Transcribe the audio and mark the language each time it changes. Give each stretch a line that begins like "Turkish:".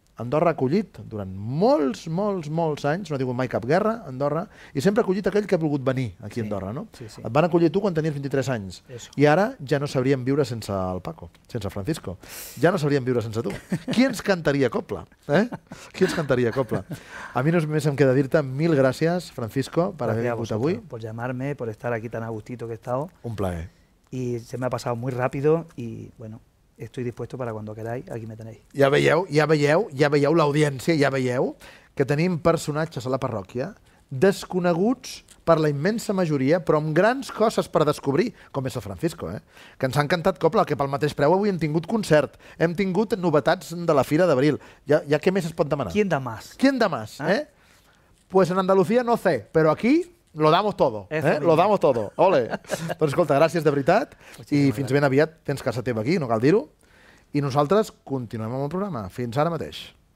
Catalan: Andorra ha acollit durant molts, molts, molts anys, no ha tingut mai cap guerra, Andorra, i sempre ha acollit aquell que ha volgut venir aquí a Andorra, no? Sí, sí. Et van acollir tu quan tenies 23 anys.
Spanish: Eso.
Catalan: I ara ja no sabríem viure sense el Paco, sense Francisco. Ja no sabríem viure sense tu. Qui ens cantaria copla? Qui ens cantaria copla? A mi només em queda dir-te mil gràcies, Francisco, per haver vingut avui.
Spanish: Por llamarme, por estar aquí tan a gustito que he estado.
Catalan: Un plaer.
Spanish: Y se me ha pasado muy rápido y, bueno, estoy dispuesto para cuando queráis, aquí me tenéis.
Catalan: Ja veieu l'audiència, ja veieu que tenim personatges a la parròquia desconeguts per la immensa majoria, però amb grans coses per descobrir, com és el Francisco, que ens ha encantat copla, que pel mateix preu avui hem tingut concert, hem tingut novetats de la Fira d'Abril. Ja què més es pot demanar?
Spanish: ¿Quién da más? ¿Quién da más? Pues en Andalucía no sé, però aquí lo damos todo, lo damos todo. Ole.
Catalan: Doncs escolta, gràcies de veritat.
Spanish: Muchísimo,
Catalan: i fins ben aviat. Tens casa teva aquí, no cal dir-ho. I nosaltres continuem amb el programa. Fins ara mateix.